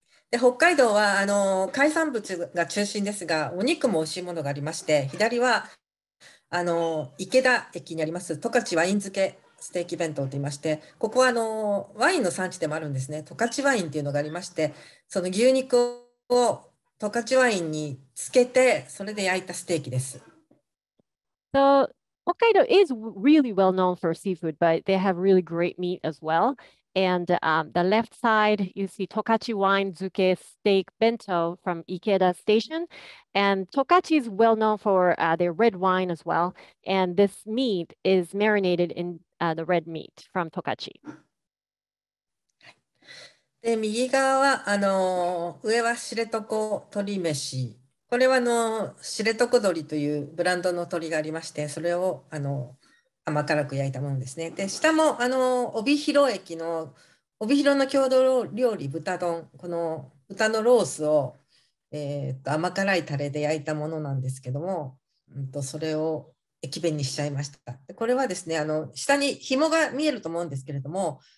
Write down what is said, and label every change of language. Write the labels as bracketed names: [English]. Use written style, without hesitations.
[Japanese] で、北海道は海産物が中心ですが、お肉も美味しいものがありまして、左は池田駅にあります十勝ワイン漬けステーキ弁当と言いまして、ここはワインの産地でもあるんですね。十勝ワインっていうのがありまして、その牛肉を十勝ワインにつけて、それで焼いたステーキです。 [English] So, Hokkaido is really well known for seafood, but they have really great meat as well. And the left side, you see Tokachi Wine Zuke Steak Bento from Ikeda Station. And Tokachi is well known for their red wine as well. And this meat is marinated in the red meat from Tokachi. [Japanese] で、右側は上は知床鶏飯。これは知床鶏というブランドの鶏がありまして、それを甘辛く焼いたものですね。で、下も帯広駅の帯広の郷土料理豚丼、この豚のロースを甘辛いタレで焼いたものなんですけども、それを駅弁にしちゃいました。で、これはですね、下に紐が見えると思うんですけれども、